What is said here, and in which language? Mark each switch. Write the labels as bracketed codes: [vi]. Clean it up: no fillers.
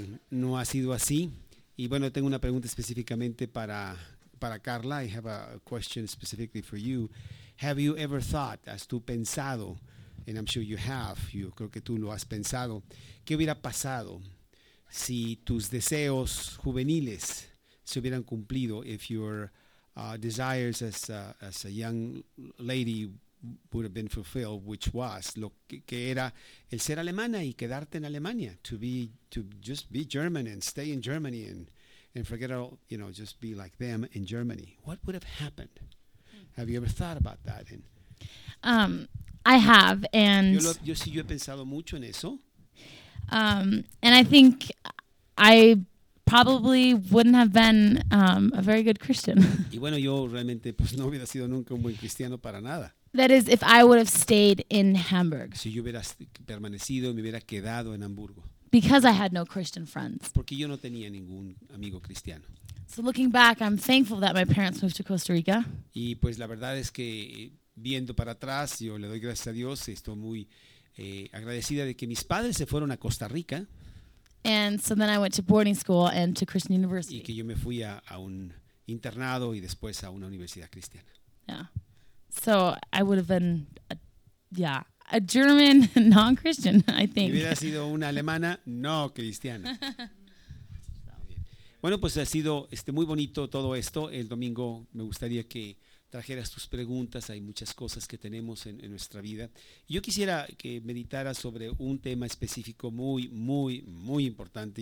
[es] No ha sido así. Y bueno, tengo una pregunta específicamente para Carla. [en] I have a question specifically for you. Have you ever thought, [es] has tú pensado, [en] and I'm sure you have, [es] yo creo que tú lo has pensado, ¿qué hubiera pasado si tus deseos juveniles se hubieran cumplido, [en] if your desires as a young lady would have been fulfilled, which was [es] lo que era el ser alemana y quedarte en Alemania, [en] to just be German and stay in Germany and forget all, you know, just be like them in Germany. What would have happened? Have you ever thought about that? I have, and [es] yo he pensado mucho en eso. [en] And I think I probably wouldn't have been a very good Christian. [es] Y bueno, yo realmente pues no hubiera sido nunca un buen cristiano para nada. [en] That is, if I would have stayed in Hamburg. [es] Si yo hubiera permanecido, me hubiera quedado en Hamburgo. [en] Because I had no Christian friends. [es] Porque yo no tenía ningún amigo cristiano. [en] So looking back, I'm thankful that my parents moved to Costa Rica. [es] Y pues la verdad es que viendo para atrás, yo le doy gracias a Dios, estoy muy agradecida de que mis padres se fueron a Costa Rica. [en] And so then I went to boarding school and to Christian university. [es] Y que yo me fui a un internado y después a una universidad cristiana. [en] Yeah. So I would have been a German non-Christian, I think. [es] Y hubiera sido una alemana no cristiana. Bueno, pues ha sido muy bonito todo esto. El domingo me gustaría que trajeras tus preguntas, hay muchas cosas que tenemos en nuestra vida. Yo quisiera que meditaras sobre un tema específico muy, muy, muy importante.